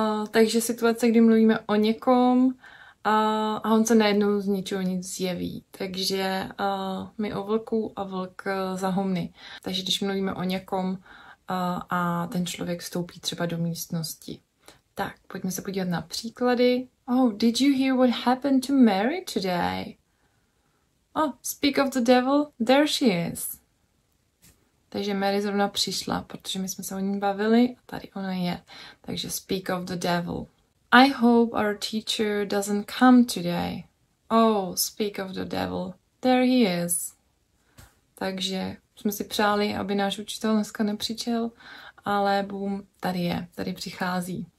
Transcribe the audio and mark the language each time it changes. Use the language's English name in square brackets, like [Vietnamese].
[Czech] Takže situace, kdy mluvíme o někom a on se najednou z ničeho nic zjeví. Takže my o vlku a vlk za humny. Takže když mluvíme o někom a ten člověk vstoupí třeba do místnosti. Tak, pojďme se podívat na příklady. [English] Oh, did you hear what happened to Mary today? Oh, speak of the devil, there she is. [Czech] Takže Mary zrovna přišla, protože my jsme se o ní bavili a tady ona je. [English] Takže speak of the devil. I hope our teacher doesn't come today. Oh, speak of the devil, there he is. [Czech] Takže jsme si přáli, aby náš učitel dneska nepřišel, ale boom, tady je, tady přichází.